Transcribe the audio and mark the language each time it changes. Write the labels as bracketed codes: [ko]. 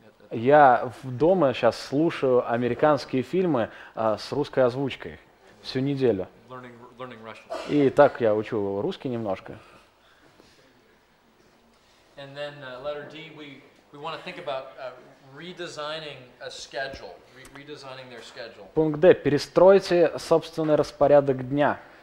[ru] Я дома сейчас слушаю американские фильмы с русской озвучкой всю неделю. [en] Learning Russian. [ru] И так я учу русский немножко. [en] And then, letter D, we want to think about redesigning a schedule, redesigning their schedule. [ru] Пункт D. Перестройте собственный распорядок дня.